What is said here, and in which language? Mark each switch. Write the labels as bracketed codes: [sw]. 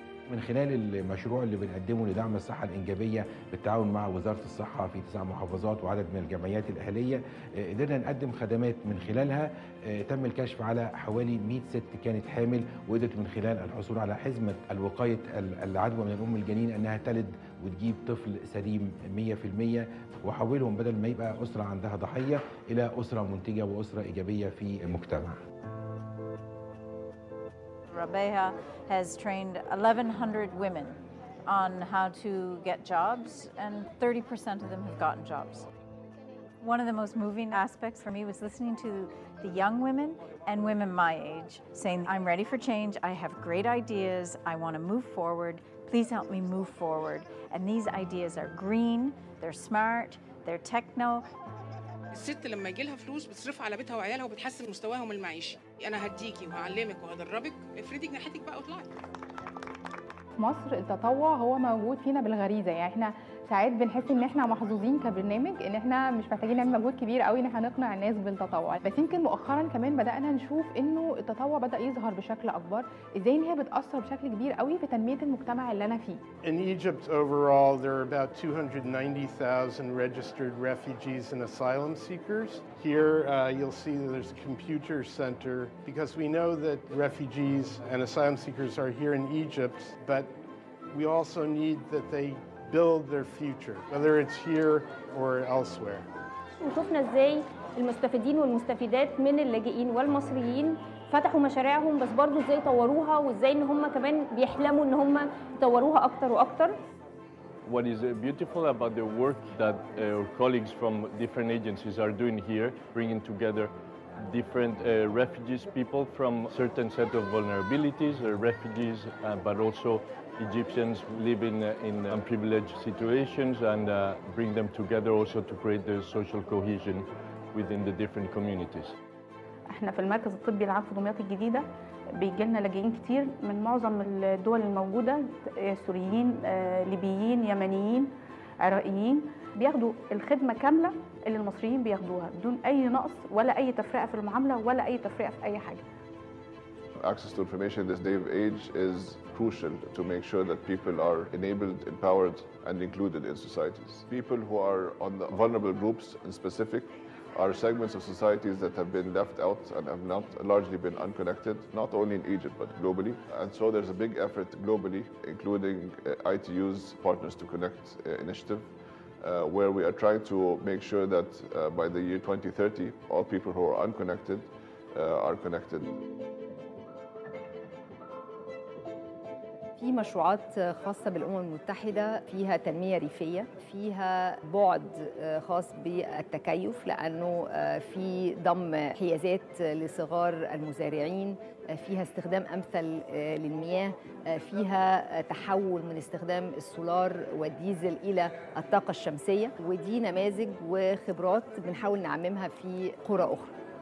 [ar] من خلال المشروع اللي بنقدمه لدعم الصحة الإنجابية بالتعاون مع وزارة الصحة في 9 محافظات وعدد من الجمعيات الأهلية، قدرنا نقدم خدمات من خلالها تم الكشف على حوالي 100 ست كانت حامل، وقدرت من خلال الحصول على حزمة الوقاية العدوى من أم الجنين أنها تلد وتجيب طفل سليم 100%، وحولهم بدل ما يبقى أسرة عندها ضحية إلى أسرة منتجة وأسرة إيجابية في المجتمع. [en] Rabeha has trained 1,100 women on how to get jobs, and 30% of them have gotten jobs. One of the most moving aspects for me was listening to the young women and women my age saying, I'm ready for change, I have great ideas, I want to move forward, please help me move forward. And these ideas are green, they're smart, they're techno. [ar] الست لما يجي لها فلوس بتصرفها على بيتها وعيالها وبتحسن مستواهم المعيشي. انا هديكي وهعلمك وهدربك، افردي جناحتك بقى وطلعي. مصر التطوع هو موجود فينا بالغريزه، يعني احنا ساعات بنحس ان احنا محظوظين كبرنامج ان احنا مش محتاجين نعمل مجهود كبير قوي ان احنا نقنع الناس بالتطوع، بس يمكن مؤخرا كمان بدانا نشوف انه التطوع بدا يظهر بشكل اكبر، ازاي ان هي بتاثر بشكل كبير قوي في تنميه المجتمع اللي انا فيه. [en] In Egypt overall there are about 290,000 registered refugees and asylum seekers. Here you'll see there's a computer center because we know that refugees and asylum seekers are here in Egypt, but we also need that they build their future, whether it's here or elsewhere. [ar] وشفنا ازاي المستفيدين والمستفيدات من اللاجئين والمصريين فتحوا مشاريعهم، بس برضو ازاي طوروها وازاي ان هم كمان بيحلموا ان هم يطوروها اكتر واكتر. [en] What is beautiful about the work that our colleagues from different agencies are doing here, bringing together different refugees, people from certain set of vulnerabilities, refugees, but also Egyptians living in unprivileged situations, and bring them together also to create the social cohesion within the different communities. [ar] احنا في المركز الطبي العام في دمياط الجديده بيجي لنا لاجئين كتير من معظم الدول الموجوده، سوريين، ليبيين، يمنيين، عراقيين، بياخدوا الخدمه كامله اللي المصريين بياخدوها بدون اي نقص ولا اي تفرقه في المعامله ولا اي تفرقه في اي حاجه. [en] Access to information in this day and age is crucial to make sure that people are enabled, empowered, and included in societies. People who are on the vulnerable groups in specific are segments of societies that have been left out and have not largely been unconnected, not only in Egypt but globally. And so there's a big effort globally, including ITU's Partners to Connect initiative, where we are trying to make sure that by the year 2030, all people who are unconnected are connected. [ar] في مشروعات خاصة بالأمم المتحدة فيها تنمية ريفية، فيها بعد خاص بالتكيف لأنه في ضم حيازات لصغار المزارعين، فيها استخدام أمثل للمياه، فيها تحول من استخدام السولار والديزل إلى الطاقة الشمسية، ودي نماذج وخبرات بنحاول نعممها في قرى أخرى.